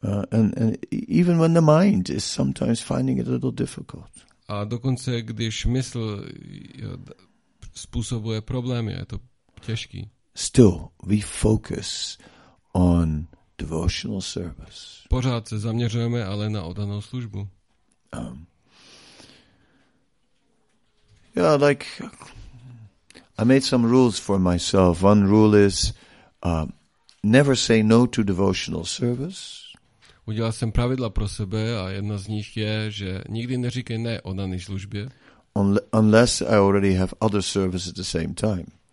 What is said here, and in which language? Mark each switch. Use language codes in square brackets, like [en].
[en] And even when the mind is sometimes finding it a little difficult. [cs] A dokonce když mysl způsobuje problémy, je to těžký. [en] Still, we focus on devotional service. [cs] Pořád se zaměřujeme ale na oddanou službu. [en] I made some rules for myself. One rule is never say no to devotional service. [cs] Udělal jsem pravidla pro sebe a jedna z nich je, že nikdy neříkej ne oddané službě. [en] Unless I already have other service at the same time.